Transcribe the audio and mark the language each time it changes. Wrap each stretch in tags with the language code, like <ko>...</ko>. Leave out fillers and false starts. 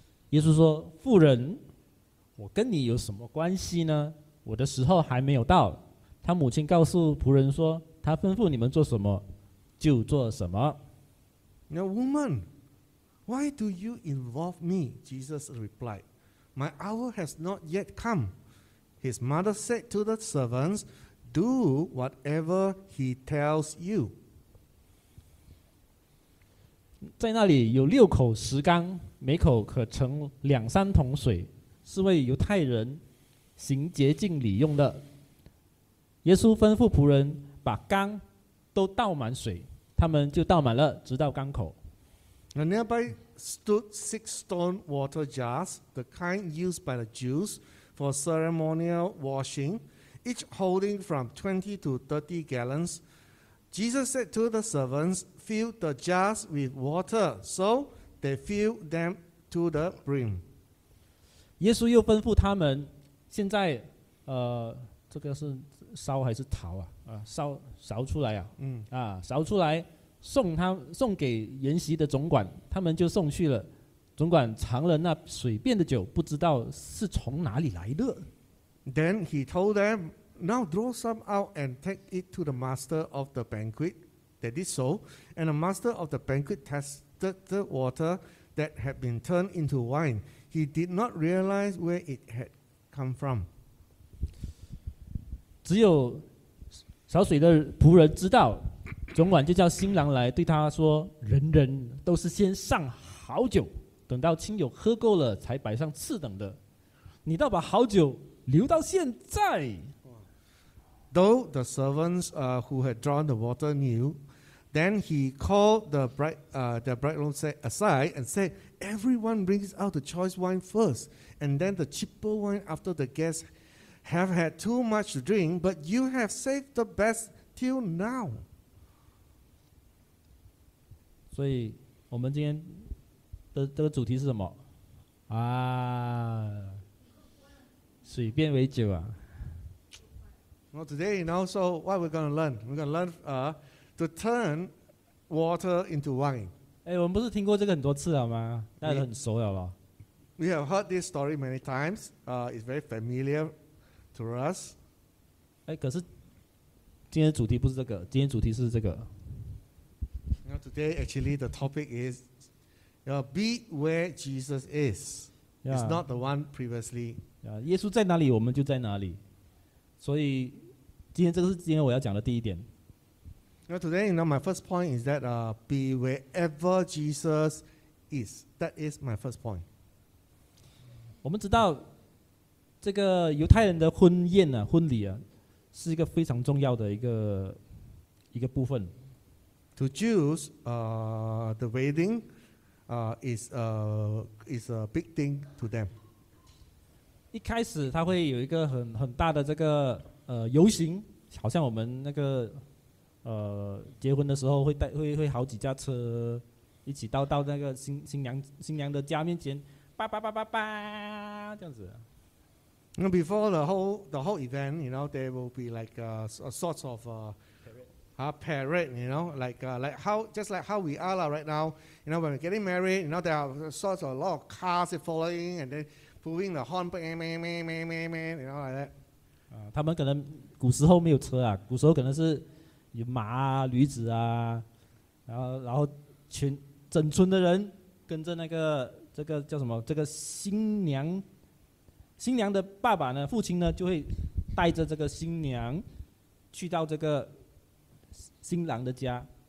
<zh>耶稣说，妇人，我跟你有什么关系呢？我的时候还没有到。他母亲告诉仆人说，他吩咐你们做什么就做什么。</zh> <en>Now woman, why do you involve me? Jesus replied, my hour has not yet come. His mother said to the servants, do whatever he tells you.</en> <zh>在那里有六口石缸，每口可盛两三桶水，是为犹太人行洁净礼用的。耶稣吩咐仆人把缸都倒满水，他们就倒满了，直到缸口。</zh> <en>Now nearby stood six stone water jars, the kind used by the Jews for ceremonial washing, each holding from 20 to 30 gallons. Jesus said to the servants, fill the jars with water. So they filled them to the brim.</en> <zh>耶稣又吩咐他们，现在这个是烧还是陶啊？烧出来啊！烧出来，送给筵席的总管，他们就送去了。总管尝了那水变的酒，不知道是从哪里来的。</zh> <en>Then he told them, now draw some out and take it to the master of the banquet. They did so, and the master of the banquet tested the water that had been turned into wine. He did not realize where it had come from.</en> <zh>只有扫水的仆人知道，总管就叫新郎来对他说，人人都是先上好酒，等到亲友喝够了才摆上次等的，你倒把好酒留到现在。</zh> <en>Though the servants who had drawn the water knew, then he called the bridegroom aside and said, everyone brings out the choice wine first, and then the cheaper wine after the guests have had too much to drink, but you have saved the best till now.</en> <zh>所以我们今天的这个主题是什么啊？水变为酒啊。</zh> <en>Well, today, you know, so what we're going to learn? We're going to learn to turn water into wine.</en> <zh>哎，我们不是听过这个很多次了吗？大家很熟了吧？</zh> <en>We have heard this story many times. It's very familiar to us.</en> <zh>哎，可是今天的主题不是这个，今天主题是这个。</zh> <en>Now today, actually, the topic is, you know, be where Jesus is. Yeah. It's not the one previously.</en> <zh>耶稣在哪里，我们就在哪里。所以今天这个是今天我要讲的第一点。</zh> <en>Now today, you know, my first point is that be wherever Jesus is. That is my first point.</en> <zh>我们知道这个犹太人的婚宴啊，婚礼啊，是一个非常重要的一个部分。</zh> <en>To Jews, the wedding, is a big thing to them.</en> <zh>一开始他会有一个很大的这个游行，好像我们那个结婚的时候会带会好几架车，一起到那个新娘的家面前，叭叭叭叭叭这样子。</zh> <en>And before the whole event, you know, there will be like a sort of a parade, you know, like how we are like right now, you know, when we're getting married, you know, there are sorts of a lot of cars following and then pulling the horn, you know, like that.</en> <zh>他们可能古时候没有车啊，古时候可能是有马啊、驴子啊，然后全整村的人跟着那个这个叫什么这个新娘的爸爸呢，父亲呢就会带着这个新娘去到这个新郎的家。</zh>